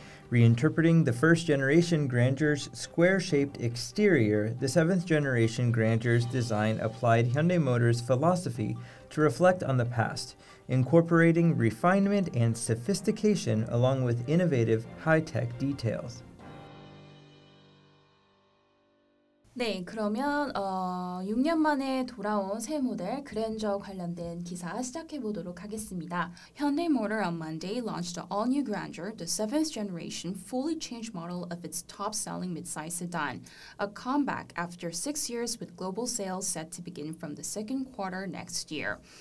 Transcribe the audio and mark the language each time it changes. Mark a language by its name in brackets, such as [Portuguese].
[English] Reinterpreting the first-generation Grandeur's square-shaped exterior, the seventh-generation Grandeur's design applied Hyundai Motor's philosophy to reflect on the past, incorporating refinement and sophistication along with innovative high-tech details. [Korean] 네, 그러면 6년 만에 돌아온 새 모델 그랜저 관련된 기사 시작해 보도록 하겠습니다. [English] Hyundai Motor on Monday launched the all-new Grandeur, the seventh generation fully changed model of its top-selling midsize sedan, a comeback after 6 years with global sales set to begin from the second quarter next year.